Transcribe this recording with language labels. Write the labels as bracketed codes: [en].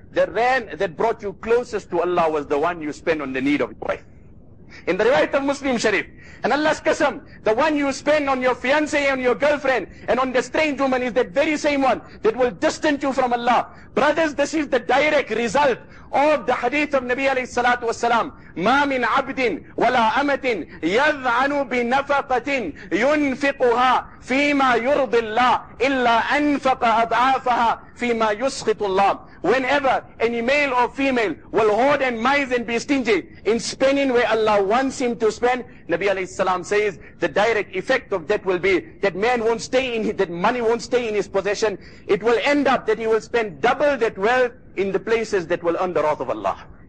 [en] The rand that brought you closest to Allah was the one you spend on the need of your wife. In the riwayat of Muslim Sharif, and Allah's Qasam, the one you spend on your fiance and your girlfriend and on the strange woman is that very same one that will distance you from Allah. Brothers, this is the direct result [ar] اوب ده حديث النبي عليه الصلاة والسلام: ما من عبد ولا أمة يذعن بنفقة ينفقها فيما يرضي الله إلا أنفق أضعافها فيما يسخط الله. [en] Whenever any male or female will hoard and mize and be stingy in spending where Allah wants him to spend, Nabi alayhi salam says the direct effect of that will be that man won't stay in his, that money won't stay in his possession. It will end up that he will spend double that wealth in the places that will earn the wrath of Allah.